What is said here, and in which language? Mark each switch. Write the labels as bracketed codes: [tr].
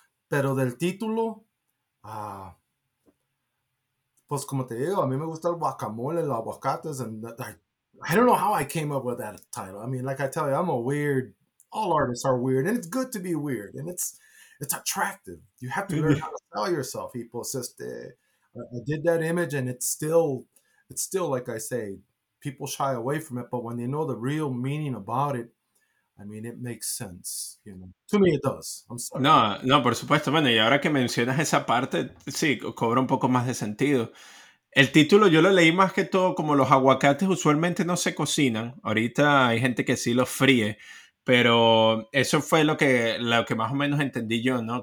[es] Pero del título, pues como te digo, a mí me gusta el guacamole, los aguacates. [en] And I don't know how I came up with that title. I mean, like I tell you, I'm a weird. All artists are weird, and it's good to be weird, and it's attractive. You have to learn how to sell yourself, people. I did that image, and it's still, like I say, people shy away from it, but when they know the real meaning about it, I mean, it makes sense. You know, to me, it does. I'm sorry. [es] No, no, por supuesto. Bueno, y ahora que mencionas esa parte, sí, cobra un poco más de sentido. El título yo lo leí más que todo como los aguacates usualmente no se cocinan. Ahorita hay gente que sí los fríe. Pero eso fue lo que más o menos entendí yo, ¿no?